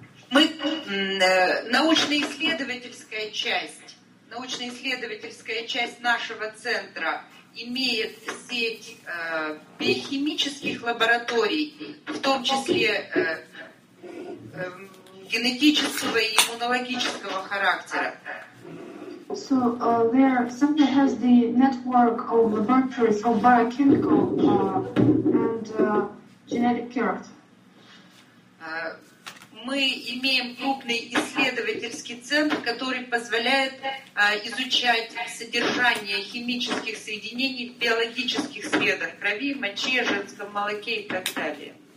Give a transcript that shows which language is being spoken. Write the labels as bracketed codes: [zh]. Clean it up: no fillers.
[ru] Мы научно-исследовательская часть нашего центра имеет сеть биохимических лабораторий, в том числе генетического и иммунологического характера. [en] So their center has the network of laboratories of biochemical and genetic character. [ru] Мы имеем крупный исследовательский центр, который позволяет изучать содержание химических соединений в биологических средах крови, моче, женском молоке и так далее.